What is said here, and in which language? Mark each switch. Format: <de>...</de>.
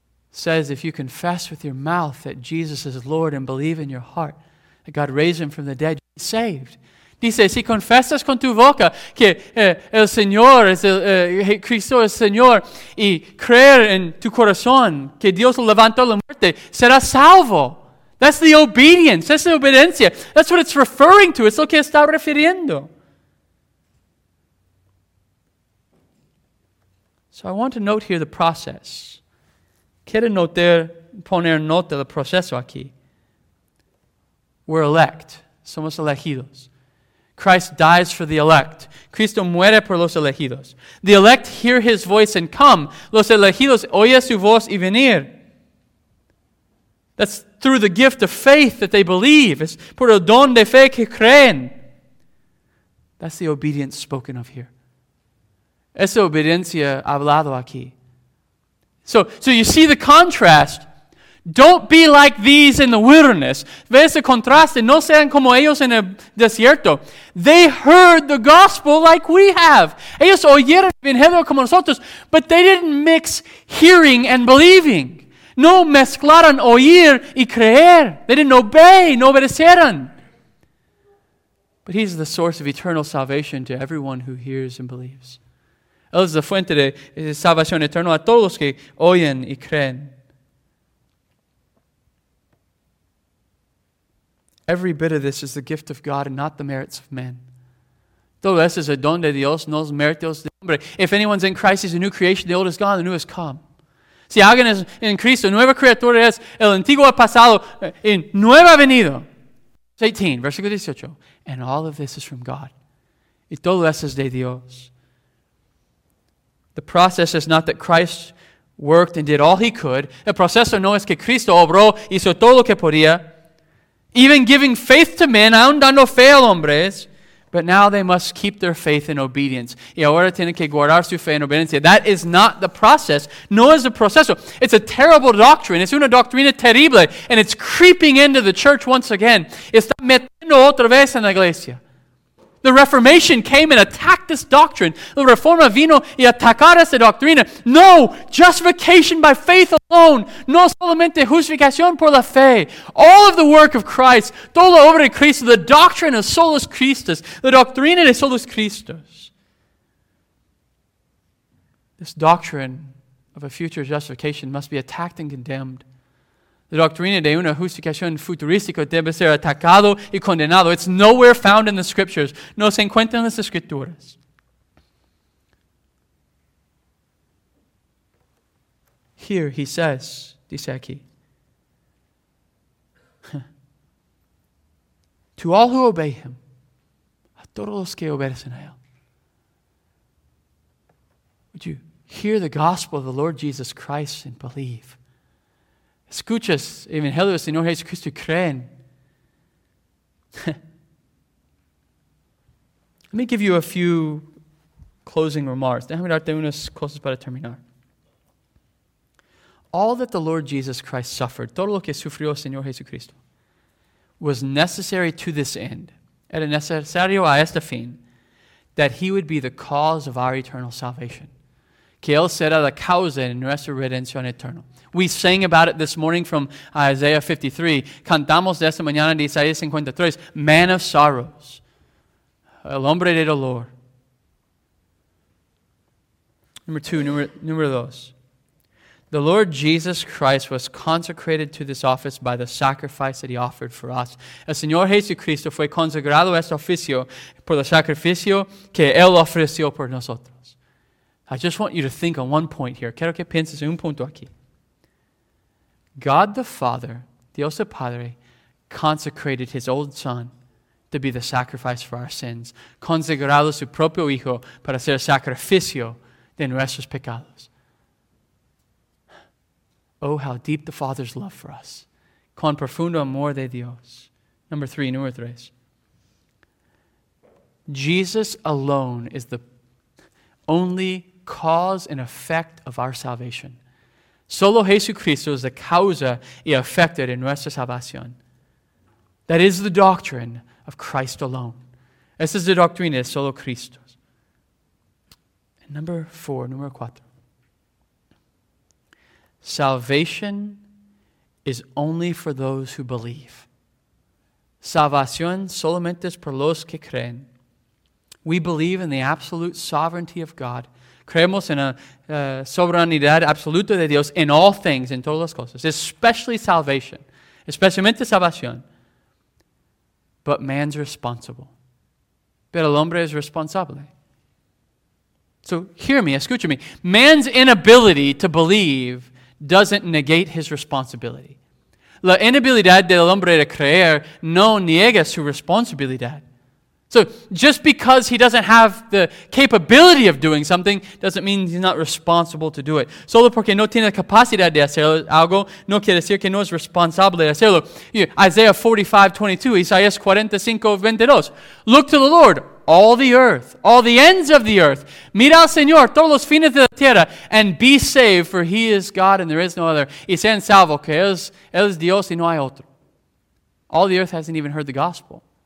<en>Says if you confess with your mouth that Jesus is Lord and believe in your heart that God raised him from the dead, you'll be saved.</en> <es>Dice, si confesas con tu boca que el Señor es Cristo es Señor y creer en tu corazón que Dios lo levantó la muerte, serás salvo.</es> <en>That's the obedience. That's the obediencia. That's what it's referring to. It's</en> <es>lo que está refiriendo.</es> <en>So I want to note here the process.</en> <es>Quiero poner nota del proceso aquí.</es> <en>We're elect.</en> <es>Somos elegidos.</es> <en>Christ dies for the elect.</en> <es>Cristo muere por los elegidos.</es> <en>The elect hear his voice and come.</en> <es>Los elegidos oye su voz y venir.</es> <en>That's through the gift of faith that they believe.</en> <es>Es por el don de fe que creen.</es> <en>That's the obedience spoken of here.</en> <es>Esa obediencia hablado aquí.</es> <en>So you see the contrast. Don't be like these in the wilderness.</en> <es>Ves el contraste. No sean como ellos en el desierto.</es> <en>They heard the gospel like we have.</en> <es>Ellos oyeron el evangelio como nosotros,</es> <en>but they didn't mix hearing and believing.</en> <es>No mezclaron oír y creer.</es> <en>They didn't obey,</en> <es>no obedecieron.</es> <en>But he's the source of eternal salvation to everyone who hears and believes.</en> <es>Él es la fuente de salvación eterna a todos los que oyen y creen.</es> <en>Every bit of this is the gift of God and not the merits of men.</en> <es>Todo eso es el don de Dios, no los méritos del hombre.</es> <en>If anyone's in Christ, he's a new creation. The old is gone, the new has come.</en> <es>Si alguien es en Cristo, nueva criatura es, el antiguo ha pasado y nuevo ha venido. 18, versículo 18.</es> <en>And all of this is from God.</en> <es>Y todo eso es de Dios.</es> <en>The process is not that Christ worked and did all he could.</en> <es>El proceso no es que Cristo obró, hizo todo lo que podía.</es> <en>Even giving faith to men,</en> <es>aún dando fe a hombres.</es> <en>But now they must keep their faith in obedience.</en> <es>Y ahora tienen que guardar su fe en obediencia.</es> <en>That is not the process.</en> <es>No es el proceso.</es> <en>It's a terrible doctrine.</en> <es>Es una doctrina terrible.</es> <en>And it's creeping into the church once again.</en> <es>Está metiendo otra vez en la iglesia.</es> <en>The Reformation came and attacked this doctrine.</en> <es>La Reforma vino y atacar esta doctrina.</es> <en>No, justification by faith alone.</en> <es>No solamente justificación por la fe.</es> <en>All of the work of Christ,</en> <es>toda la obra de Cristo,</es> <en>the doctrine of solus Christus, the</en> <es>doctrina de solus Christus.</es> <en>This doctrine of a future justification must be attacked and condemned.</en> <es>The doctrina de una justificación futurística debe ser atacado y condenado.</es> <en>It's nowhere found in the scriptures.</en> <es>No se encuentra en las escrituras.</es> <en>Here he says,</en> <es>dice aquí,</es> <en>to all who obey him,</en> <es>a todos los que obedecen a él,</es> <en>would you hear the gospel of the Lord Jesus Christ and believe?</en> <es>Escuchas, Evangelio del Señor Jesucristo, creen.</es> <en>Let me give you a few closing remarks.</en> <es>Déjame darte unas cosas para terminar.</es> <en>All that the Lord Jesus Christ suffered,</en> <es>todo lo que sufrió el Señor Jesucristo,</es> <en>was necessary to this end.</en> <es>Era necesario a este fin,</es> <en>that he would be the cause of our eternal salvation.</en> <es>Que él será la causa de nuestra redención eterna.</es> <en>We sang about it this morning from Isaiah 53.</en> <es>Cantamos de esta mañana de Isaías 53.</es> <en>Man of sorrows.</en> <es>El hombre de dolor. Número dos.</es> <en>The Lord Jesus Christ was consecrated to this office by the sacrifice that he offered for us.</en> <es>El Señor Jesucristo fue consagrado a este oficio por el sacrificio que él ofreció por nosotros.</es> <en>I just want you to think on one point here.</en> <es>Quiero que pienses en un punto aquí.</es> <en>God the Father,</en> <es>Dios el Padre,</es> <en>consecrated his old son to be the sacrifice for our sins.</en> <es>Consagrado su propio hijo para ser sacrificio de nuestros pecados.</es> <en>Oh, how deep the Father's love for us.</en> <es>Cuán profundo amor de Dios. Número tres.</es> <en>Jesus alone is the only cause and effect of our salvation.</en> <es>Solo Jesucristo es la causa y efecto de nuestra salvación.</es> <en>That is the doctrine of Christ alone.</en> <es>Esa es la doctrina de solo Cristo. Número cuatro.</es> <en>Salvation is only for those who believe.</en> <es>Salvación solamente es por los que creen.</es> <en>We believe in the absolute sovereignty of God.</en> <es>Creemos en la soberanidad absoluta de Dios en</es> <en>all things,</en> <es>en todas las cosas,</es> <en>especially salvation,</en> <es>especialmente salvación.</es> <en>But man's responsible.</en> <es>Pero el hombre es responsable.</es> <en>So hear me,</en> <es>escucha me.</es> <en>Man's inability to believe doesn't negate his responsibility.</en> <es>La inabilidad del hombre de creer no niega su responsabilidad.</es> <en>So just because he doesn't have the capability of doing something doesn't mean he's not responsible to do it.</en> <es>Solo porque no tiene capacidad de hacer algo no quiere decir que no es responsable de hacerlo.</es> <en>Isaiah 45:22, Isaías 45:22. Look to the Lord, all the earth, all the ends of the earth.</en> <es>Mira al Señor, todos los fines de la tierra,</es> <en>and be saved, for he is God and there is no other.</en> <es>Y sean salvos, que él es Dios y no hay otro.</es> <en>All the earth hasn't even heard the gospel.</en>